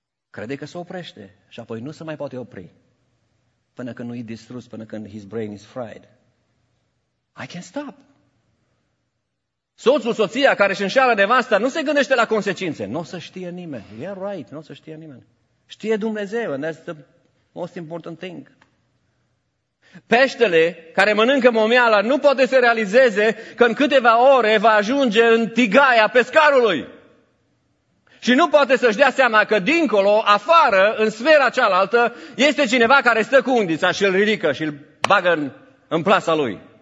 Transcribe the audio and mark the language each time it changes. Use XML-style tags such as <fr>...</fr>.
<ro>Crede că se oprește și apoi nu se mai poate opri. Până când nu e distrus, până când</ro> <en>his brain is fried. I can stop.</en> <ro>Soțul, soția care își înșeală nevasta nu se gândește la consecințe. Nu o să știe nimeni.</ro> <en>Yeah, right,</en> <ro>nu o să știe nimeni. Știe Dumnezeu,</ro> <en>and that's the most important thing.</en> <ro>Peștele care mănâncă momeala nu poate să realizeze că în câteva ore va ajunge în tigaia pescarului. Și nu poate să-și dea seama că dincolo, afară, în sfera cealaltă, este cineva care stă cu undița și îl ridică și îl bagă în plasa lui.</ro>